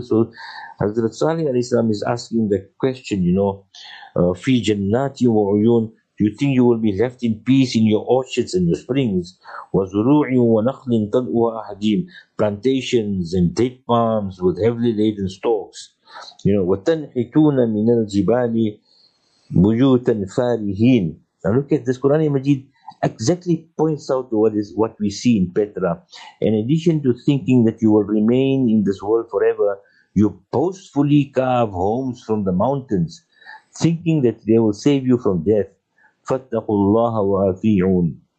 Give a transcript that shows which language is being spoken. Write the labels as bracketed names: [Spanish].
[English] So Hazrat Salih alayhi salam is asking the question, you know, [Arabic] فِي جَنَّاتِ وَعُيُونَ. [English] Do you think you will be left in peace in your orchards and your springs? [Arabic] وَزُرُوعٍ وَنَخْلٍ تَلْءُهَا أَهْجِيمٍ. [English] Plantations and date palms with heavily laden stalks. You know, [Arabic] وَتَنْحِتُونَ مِنَ الْجِبَالِ بُيُوتًا فَارِهِينَ. [English] Now look at this. Quran Majid exactly points out to what we see in Petra. In addition to thinking that you will remain in this world forever, you boastfully carve homes from the mountains, thinking that they will save you from death. [Arabic] فَاتَّقُوا اللَّهَ وَأَطِيعُونَ.